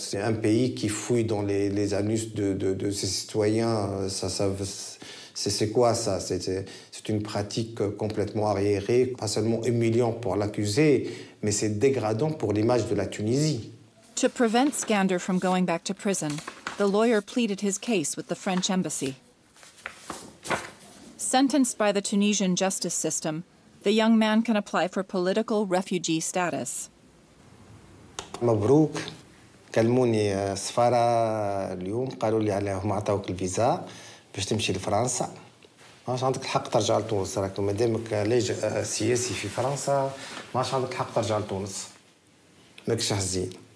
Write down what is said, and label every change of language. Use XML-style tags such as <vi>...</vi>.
<fr>C'est un pays qui fouille dans les anus de ses citoyens. C'est quoi ça? C'est une pratique complètement arriérée, pas seulement humiliant pour l'accusé, mais c'est dégradant pour l'image de la Tunisie.</fr> <en>To prevent Skander from going back to prison, the lawyer pleaded his case with the French embassy. Sentenced by the Tunisian justice system, the young man can apply for political refugee status.</en> <ar>مبروك. كلموني السفارة اليوم قالوا لي عليهم عطاوك الفيزا باش تمشي لفرنسا. ماش عندك الحق ترجع لتونس راك مادامك لاجئ سياسي في فرنسا ماش عندك الحق ترجع لتونس ماكش حزين</ar>